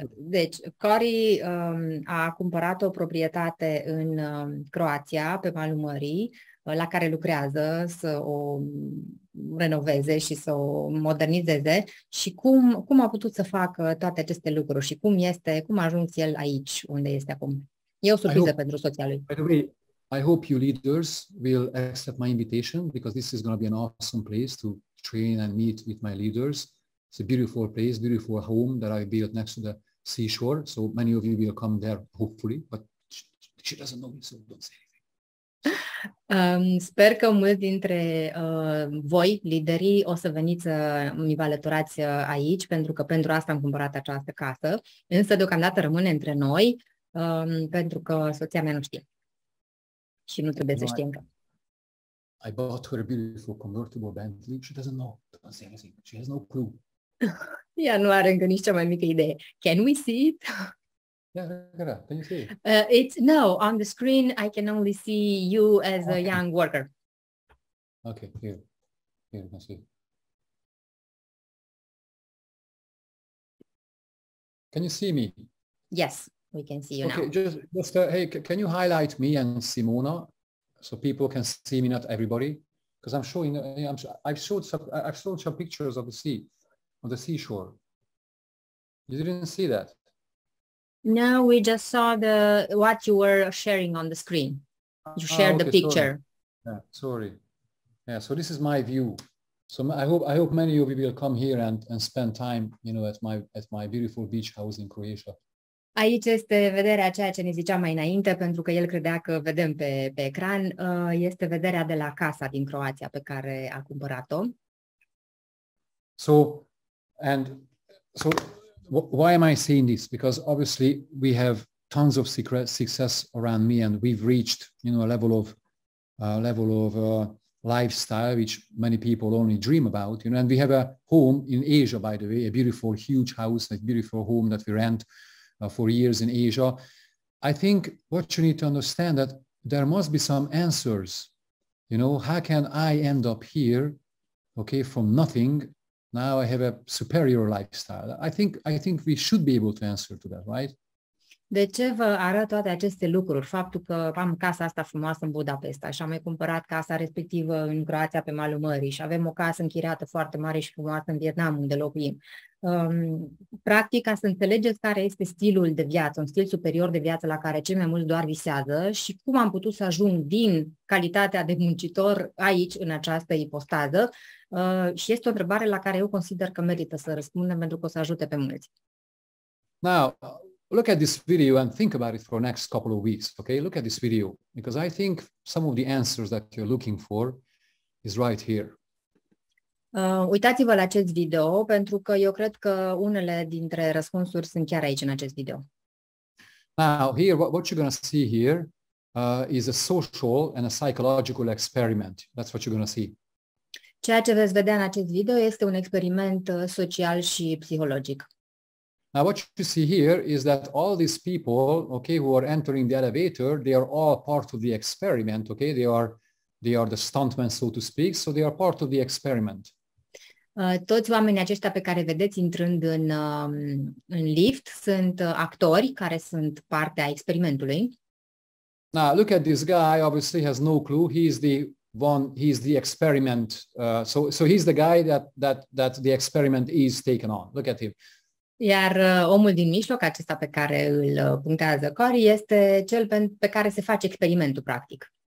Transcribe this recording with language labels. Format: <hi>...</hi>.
<ro>Deci, Cori a cumpărat o proprietate în Croația, pe malul mării, la care lucrează să o renoveze și să o modernizeze. Și cum a putut să facă toate aceste lucruri și cum a ajuns el aici, unde este acum? E o surpriză pentru soția lui.</ro> <en>I hope you leaders will accept my invitation because this is going to be an awesome place to train and meet with my leaders. It's a beautiful place, beautiful home that I built next to the seashore. So many of you will come there, hopefully, but she doesn't know me, so don't say anything.</en> <ro>Sper că mulți dintre voi, liderii, o să veniți să mi-vă alăturați aici, pentru că pentru asta am cumpărat această casă. Însă, deocamdată, rămâne între noi, pentru că soția mea nu știe. Și nu trebuie să știe încă.</ro> <en>I bought her a beautiful convertible Bentley. She doesn't know. Doesn't say anything. She has no clue.</en> <ro>Ea nu are încă nici cea mai mică idee.</ro> <en>Can we see it? Yeah, can you see it? It's no, on the screen I can only see you as a young worker. Okay, here. Here you can see. Can you see me? Yes. We can see you okay, now. Can you highlight me and Simona so people can see me, not everybody? Because I've showed some pictures of the sea, of the seashore. You didn't see that? No, we just saw the what you were sharing on the screen. You shared the picture. Yeah, so this is my view. So I hope many of you will come here and spend time, you know, at my beautiful beach house in Croatia.</en> <ro>Aici este vederea ceea ce ne zicea mai înainte, pentru că el credea că vedem pe ecran. Este vederea de la casa din Croația pe care a cumpărat-o.</ro> <en>So why am I saying this? Because obviously we have tons of success around me and we've reached, you know, a level of lifestyle which many people only dream about, you know, and we have a home in Asia, by the way, a beautiful huge house, a beautiful home that we rent for years in Asia. I think what you need to understand that there must be some answers. You know, how can I end up here, okay, from nothing? Now I have a superior lifestyle. I think we should be able to answer to that, right?</en> <ro>De ce vă arăt toate aceste lucruri? Faptul că am casa asta frumoasă în Budapesta și am mai cumpărat casa respectivă în Croația pe malul mării și avem o casă închiriată foarte mare și frumoasă în Vietnam unde locuim. Practic, ca să înțelegeți care este stilul de viață, un stil superior de viață la care cei mai mulți doar visează și cum am putut să ajung din calitatea de muncitor aici, în această ipostază. Și este o întrebare la care eu consider că merită să răspundem pentru că o să ajute pe mulți.</ro> <en>Now, look at this video and think about it for the next couple of weeks, okay? Look at this video, because I think some of the answers that you're looking for is right here.</en> <ro>Uitați-vă la acest video, pentru că eu cred că unele dintre răspunsuri sunt chiar aici în acest video.</ro> <en>Now, here, what you're going to see here is a social and a psychological experiment. That's what you're going to see.</en> <ro>Ceea ce veți vedea în acest video este un experiment social și psihologic.</ro> <en>Now, what you see here is that all these people, okay, who are entering the elevator, they are all part of the experiment, okay? They are the stuntmen, so to speak, so they are part of the experiment. Toți oamenii aceștia pe care vedeți intrând în lift sunt actori care sunt parte a experimentului. Now, look at this guy, obviously has no clue. He is the one, he is the experiment. So he's the guy that the experiment is taken on. Look at him.</en> <ro>Iar omul din mijloc, acesta pe care îl punctează Corey, este cel pe care se face experimentul practic.</ro>